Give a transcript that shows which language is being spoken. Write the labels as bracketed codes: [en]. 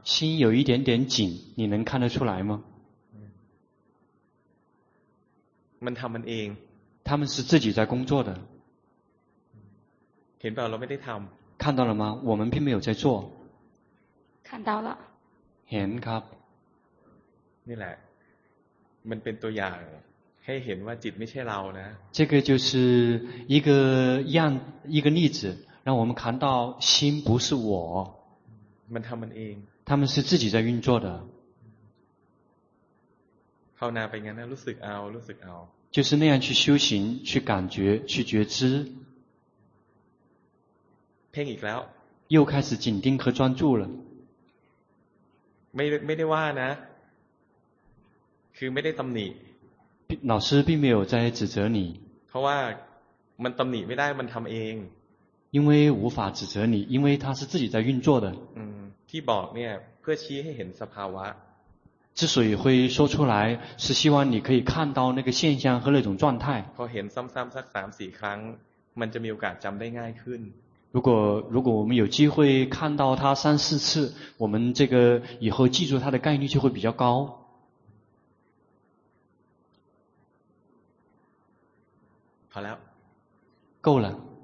[zh] 心有一点点紧你能看得出来吗 [th] มันทำมันเอง [zh] 他们是自己在工作的 [th] เห็นป่ะเราไม่ได้ทำ [zh] 看到了吗我们并没有在做看到了 [th] เห็นครับ นี่แหละมันเป็นตัวอย่างให้เห็นว่าจิตไม่ใช่เรานะ [zh] 这个就是一个样一个例子让我们看到心不是我 [th] มันทำมันเอง [zh] 他们是自己在运作的 [th] ภาวนาไปงั้นนะรู้สึกเอารู้สึกเอา [zh] 就是那样去修行去感觉去觉知 [th] เพ่งอีกแล้ว [zh] 又开始紧盯和专注了 [th] ไม่ได้ว่านะคือไม่ได้ตำหนิ [zh] 老师并没有在指责你 [th] เพราะว่ามันตำหนิไม่ได้มันทำเอง [zh] 因为无法指责你因为它是自己在运作的 [th] ที่บอกเนี่ยเพื่อชี้ให้เห็นสภาวะ [zh] 之所以会说出来是希望你可以看到那个现象和那种状态 [th] พอเห็นซ้ำๆสัก 3-4 ครั้งมันจะมีโอกาสจำได้ง่ายขึ้น [zh] 如果我们有机会看到它 3-4 次我们这个以后记住它的概率就会比较高好了够了